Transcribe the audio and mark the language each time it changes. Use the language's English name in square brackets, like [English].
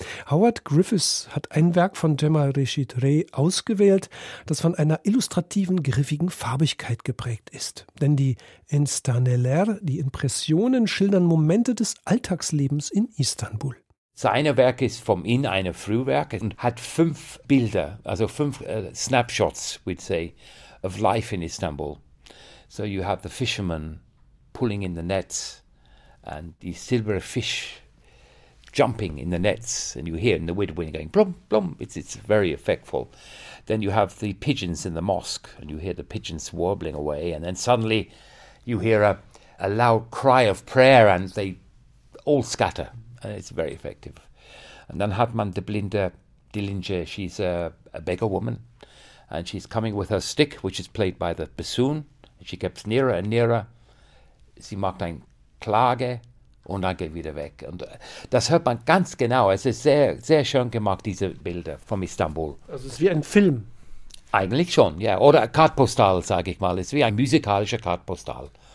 [German] Howard Griffiths hat ein Werk von Cemal Reşit Rey ausgewählt, das von einer illustrativen, griffigen Farbigkeit geprägt ist. Denn die Enstaneler, die Impressionen, schildern Momente des Alltagslebens in Istanbul. Sein Werk ist von ihm ein Frühwerk und hat fünf Bilder, also fünf Snapshots, [English] we'd say, of life in Istanbul. So you have the fishermen pulling in the nets and the silver fish jumping in the nets, and you hear in the wind going blum blum. It's very effectful. Then you have the pigeons in the mosque, and you hear the pigeons warbling away, and then suddenly you hear a loud cry of prayer, and they all scatter. It's very effective. And then [German] hat man die blinde Dillinger, [English] she's a beggar woman, and she's coming with her stick, which is played by the bassoon. She gets nearer and nearer. [German] Sie macht ein Klage und dann geht wieder weg. Und das hört man ganz genau. Es ist sehr, sehr schön gemacht, diese Bilder von Istanbul. Also es ist wie ein Film. Eigentlich schon, ja. [English] Yeah. [German] Oder Kartpostal, sage ich mal. Es ist wie ein musikalischer Kartpostal.